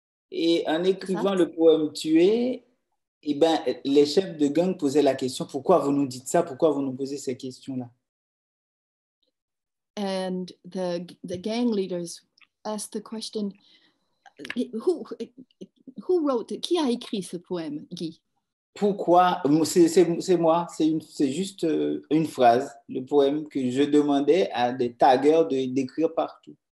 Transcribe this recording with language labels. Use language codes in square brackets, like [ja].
[fr] Et en écrivant le poème tué, eh bien, les chefs de gang posaient la question, pourquoi vous nous dites ça? Pourquoi vous nous posez ces questions-là? [en] And the gang leaders asked the question, who wrote, [fr] qui a écrit ce poème, [en] Guy? [fr] Pourquoi? C'est moi, c'est juste une phrase, le poème que je demandais à des taggers d'écrire partout.